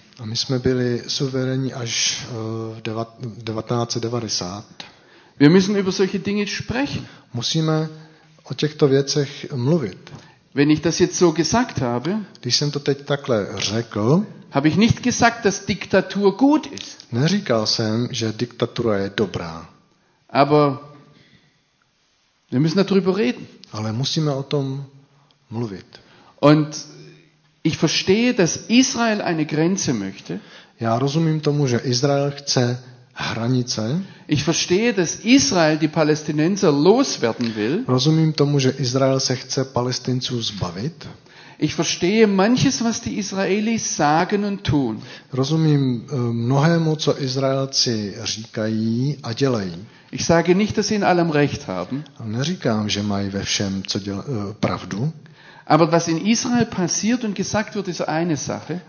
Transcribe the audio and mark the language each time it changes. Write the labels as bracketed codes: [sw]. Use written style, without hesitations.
[cs] A my jsme byli suverénní až v 1990. [de] Wir müssen über solche Dinge sprechen. [cs] Musíme o těchto věcech mluvit. [de] Wenn ich das jetzt so gesagt habe, [cs] když jsem to teď takhle řekl, [de] habe ich nicht gesagt, dass Diktatur gut ist. [cs] Neříkal jsem, že diktatura je dobrá. [de] Aber wir müssen darüber reden. [cs] Ale musíme o tom mluvit. [de] Und ich verstehe, dass Israel eine Grenze möchte. [cs] Já rozumím tomu, že Izrael chce hranice. [de] Ich verstehe, dass Israel die Palästinenser loswerden will. [cs] Rozumím tomu, že Izrael se chce Palestinců zbavit. [de] Ich verstehe manches, was die Israelis sagen und tun. [cs] Rozumím mnohému, co Izraelci říkají a dělají. [de] Ich sage nicht, dass sie in allem recht haben. [cs] Neříkám, že mají ve všem co pravdu. [de] Aber was in Israel passiert und gesagt wird, ist eine Sache.